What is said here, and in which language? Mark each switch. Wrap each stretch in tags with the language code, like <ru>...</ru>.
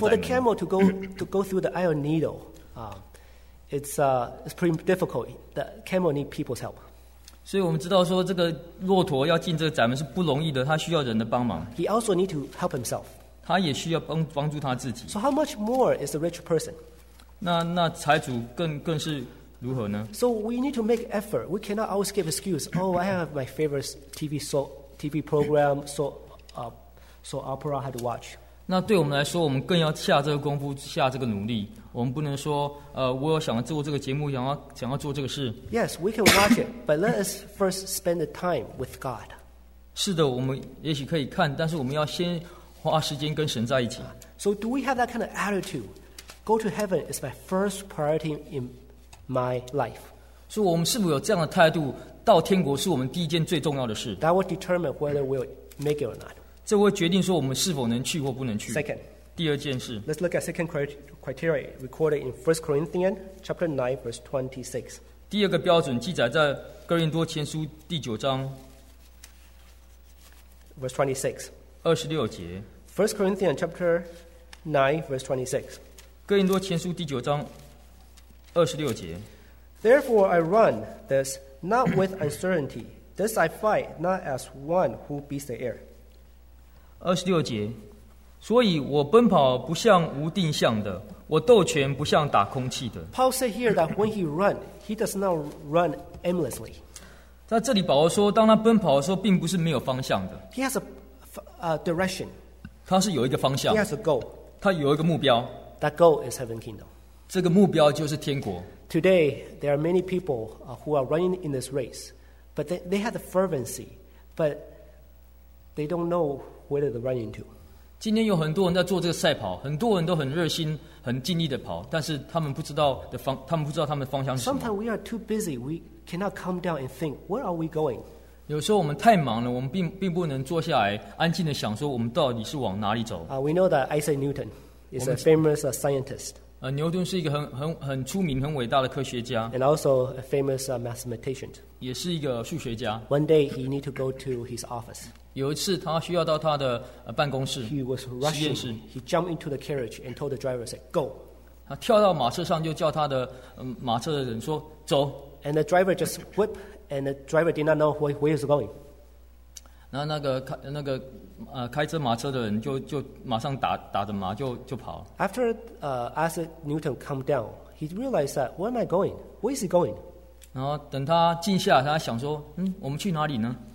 <en>So for the camel to go through the eye of needle, it's pretty difficult. The camel need people's help.</en> <zh>所以我们知道说这个骆驼要进这个窄门是不容易的，他需要人的帮忙。</zh> <en>He also need to help himself.</en> <zh>他也需要帮助他自己。</zh> <en>So how much more is the rich person?</en> <zh>那财主更是如何呢？</zh> <en>So we need to make effort. We cannot always give excuse. Oh, I have my favorite TV program, so opera I had to watch.</en> <zh>那对我们来说，我们更要下这个功夫，下这个努力。我们不能说，我想做这个节目，想要做这个事。</zh> <en>Yes, we can watch it, but let us first spend the time with God.</en> <zh>是的，我们也许可以看，但是我们要先花时间跟神在一起。</zh> <en>So do we have that kind of attitude go to heaven is my first priority in my life.</en> <zh>所以我们是否有这样的态度，到天国是我们第一件最重要的事。</zh> <en>That will determine whether we'll make it or not.</en> <zh>这会决定说我们是否能去或不能去。</zh> <en>Second.</en> <zh>第二件事,</zh> <en>let's look at second criteria recorded in 1 Corinthians chapter 9, verse 26.</en> <zh>第二个标准记载在哥林多前书第九章,</zh> <en>verse 26.</en> <zh>二十六节,</zh> <en>1 Corinthians chapter 9, verse 26.</en> <zh>哥林多前书第九章二十六节,</zh> <en>therefore I run this not with uncertainty, this I fight not as one who beats the air.</en> <zh>二十六节, 所以我奔跑不像无定向的，我斗拳不像打空气的。</zh> <en>Paul said here that when he runs, he does not run aimlessly.</en> <zh>在这里保罗说，当他奔跑的时候，并不是没有方向的。</zh> <en>He has a direction.</en> <zh>他是有一个方向。</zh> <en>He has a goal.</en> <zh>他有一个目标。</zh> <en>That goal is heaven kingdom.</en> <zh>这个目标就是天国。</zh> <en>Today there are many people who are running in this race, but they have the fervency, but they don't know where they're running to.</en> <zh>今天有很多人在做这个赛跑，很多人都很热心、很尽力的跑，但是他们不知道他们的方向是什么。</zh> <en>Sometimes we are too busy. We cannot calm down and think, where are we going?</en> <zh>有时候我们太忙了，我们并不能坐下来安静的想说，我们到底是往哪里走。</zh> <en>We know that Isaac Newton is a famous scientist.</en> <zh>牛顿是一个很出名、很伟大的科学家。</zh> <en>And also a famous mathematician.</en> <zh>也是一个数学家。</zh> <en>One day he need to go to his office.</en> <zh>有一次他需要到他的办公室,</zh> <en>he was rushing. He jumped into the carriage and told the driver, said, go.</en> <zh>他跳到马车上就叫他的马车的人说, 走。</zh> <en>And the driver just whipped, and the driver did not know where he was going.</en> <zh>那个开车马车的人就马上打着马就跑。</zh> <en>After Isaac Newton calmed down, he realized that, where am I going? Where is he going?</en> <zh>然后等他静下来，他想说, 我们去哪里呢?</zh>